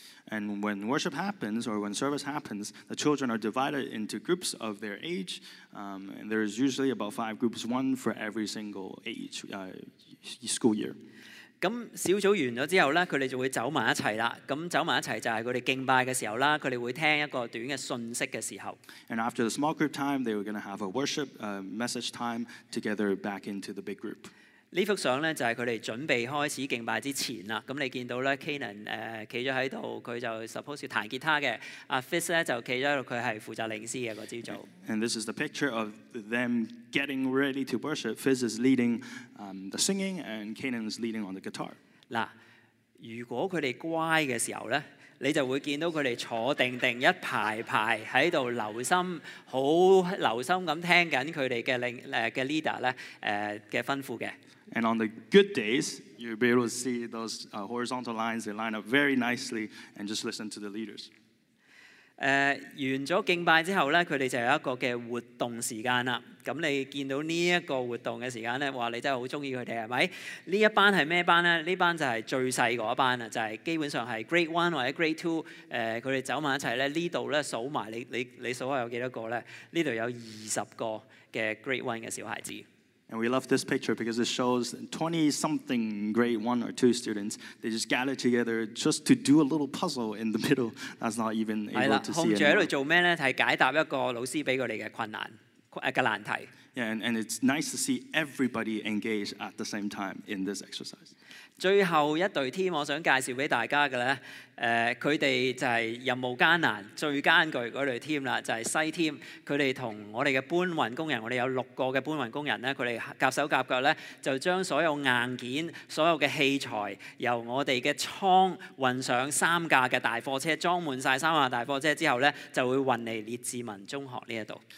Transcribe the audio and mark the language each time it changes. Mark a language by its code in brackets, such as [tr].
[en] And when worship happens or when service happens, the children are divided into groups of their age. And there is usually about 5 groups, one for every single age, school year. [yue] 咁小組完咗之後咧，佢哋就會走埋一齊啦。咁走埋一齊就係佢哋敬拜嘅時候啦，佢哋會聽一個短嘅信息嘅時候。 [en] And after the small group time, they were going to have a worship message time together back into the big group. [yue] 呢幅相咧就係佢哋準備開始敬拜之前啦。咁你見到咧 ，Kenan 企咗喺度，佢就 suppose 要彈吉他嘅。阿 Fitz 咧就企咗喺度，佢係負責領詩嘅嗰朝早。 [en] And this is the picture of them getting ready to worship. Fitz is leading the singing, and Kenan is leading on the guitar. [yue] 嗱，如果佢哋乖嘅時候咧，你就會見到佢哋坐定定一排排喺度留心，好留心咁聽緊佢哋嘅領嘅 leader 咧嘅吩咐嘅。 [en] And on the good days, you'll be able to see those horizontal lines. They line up very nicely and just listen to the leaders. [yue] 完咗敬拜之後咧，佢哋就有一個嘅活動時間啦。咁你見到呢一個活動嘅時間咧，哇！你真係好中意佢哋係咪？呢一班係咩班咧？呢班就係最細嗰一班啊，就係基本上係 Grade One 或者 Grade Two。佢哋走埋一齊咧，呢度咧數埋你數下有幾多個咧？呢度有20個嘅 Grade One 嘅小孩子。 [en] And we love this picture because it shows 20-something grade one or two students. They just gather together just to do a little puzzle in the middle. That's not even able to see anymore. [yue] 控制喺度做咩咧？係解答一個老師俾佢哋嘅困難嘅難題。 [en] Yeah, and it's nice to see everybody engaged at the same time in this exercise. [yue] 最後一隊 team， 我想介紹俾大家嘅咧，佢哋就係任務艱難、最艱巨嗰隊 team 啦，就係西 team。佢哋同我哋嘅搬運工人，我哋有6個嘅搬運工人咧，佢哋夾手夾腳咧，就將所有硬件、所有嘅器材由我哋嘅倉運上3架嘅大貨車，裝滿曬3架大貨車之後咧，就會運嚟列治文中學呢一度。